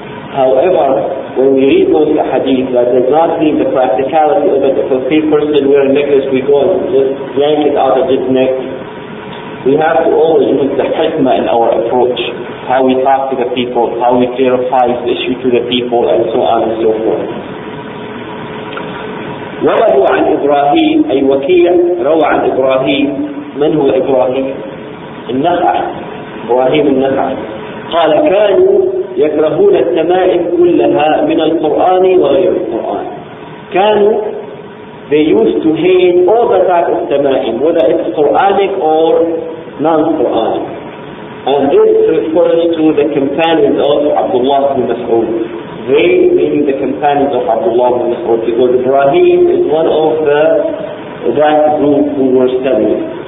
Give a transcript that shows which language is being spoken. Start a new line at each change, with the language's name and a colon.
English: However, when we read those hadith, that does not mean the practicality of it. If a free person wearing a necklace, we go and just yank it out of his neck. We have to always use the hikmah in our approach, how we talk to the people, how we clarify the issue to the people, and so on and so forth.
Arabic: وَرَهُ عَنْ إِبْرَاهِيمِ أي وَكِيعَ روى عن إبراهيم. من هو إبراهيم؟ النخع. إبراهيم النخع. قال كانوا يكرهون التمائم كلها من القرآن وغير القرآن.
English: كانوا, they used to hate all the types of التمائم, whether it's Quranic or non-Quranic. And this refers to the companions of Abdullah ibn Mas'ud. They, meaning the companions of Abdullah ibn Mas'ud, because Ibrahim is one of the that group who were studying.